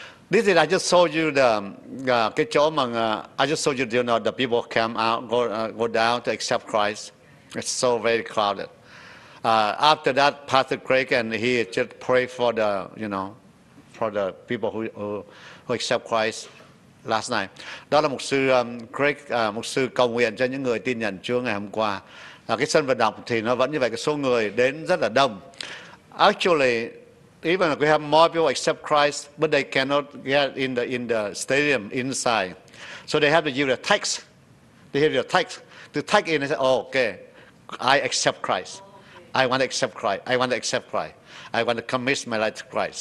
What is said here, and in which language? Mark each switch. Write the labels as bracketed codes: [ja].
[en] This is I just showed you the [vi] cái chỗ mà [en] I just showed you, you know, the people come out go down to accept Christ. It's so very crowded. After that, Pastor Craig and he just pray for the, you know, for the people who accept Christ last night. [vi] Đó là mục sư Craig, mục sư cầu nguyện cho những người tin nhận Chúa ngày hôm qua. Cái sân vận động thì nó vẫn như vậy, cái số người đến rất là đông. [en] Actually, even if we have more people accept Christ, but they cannot get in the stadium inside. So they have to give the text. They have the text to type in and say, oh, okay, I accept Christ. I want to accept Christ. I want to accept Christ. I want to commit my life to Christ.